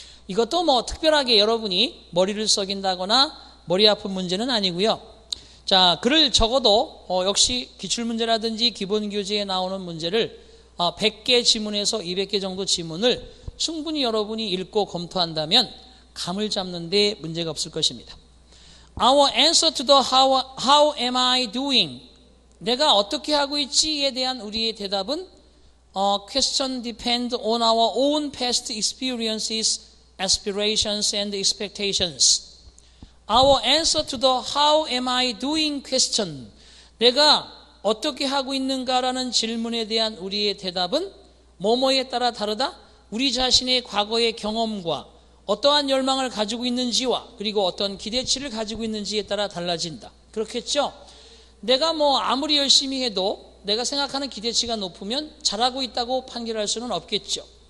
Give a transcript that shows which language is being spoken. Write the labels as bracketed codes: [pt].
[ko] 이것도 뭐 특별하게 여러분이 머리를 썩인다거나 머리 아픈 문제는 아니고요. 자, 글을 적어도 역시 기출문제라든지 기본교재에 나오는 문제를 100개 지문에서 200개 정도 지문을 충분히 여러분이 읽고 검토한다면 감을 잡는 데 문제가 없을 것입니다. [en] Our answer to the how am I doing? [ko] 내가 어떻게 하고 있지에 대한 우리의 대답은 [en] question depends on our own past experiences, aspirations and expectations. Our answer to the how am I doing question. [ko] 내가 어떻게 하고 있는가라는 질문에 대한 우리의 대답은 뭐뭐에 따라 다르다? 우리 자신의 과거의 경험과 어떠한 열망을 가지고 있는지와 그리고 어떤 기대치를 가지고 있는지에 따라 달라진다. 그렇겠죠? 내가 뭐 아무리 열심히 해도 내가 생각하는 기대치가 높으면 잘하고 있다고 판결할 수는 없겠죠.